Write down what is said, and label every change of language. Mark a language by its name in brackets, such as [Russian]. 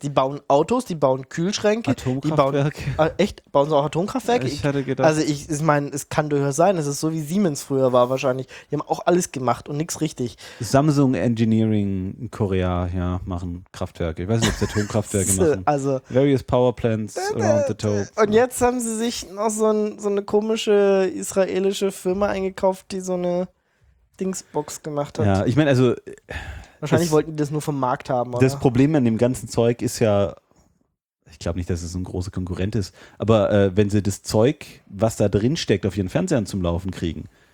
[German] Die bauen Autos, die bauen Kühlschränke. Atomkraftwerke. Bauen sie auch Atomkraftwerke? Ja, ich hatte gedacht. Also ich meine, es kann durchaus sein. Es ist so, wie Siemens früher war wahrscheinlich. Die haben auch alles gemacht und nichts richtig. Samsung Engineering in Korea, ja, machen Kraftwerke. Ich weiß nicht, ob sie Atomkraftwerke machen. Also, [English] various power plants around the Taube. [German] Und jetzt haben sie sich noch so eine komische israelische Firma eingekauft, die so eine Dingsbox gemacht hat. Ja, ich meine, also... Wahrscheinlich wollten die das nur vom Markt haben, oder? Das Problem an dem ganzen Zeug ist ja, ich glaube nicht, dass es ein großer Konkurrent ist, aber wenn sie das Zeug, was da drin steckt, auf ihren Fernsehern zum Laufen kriegen.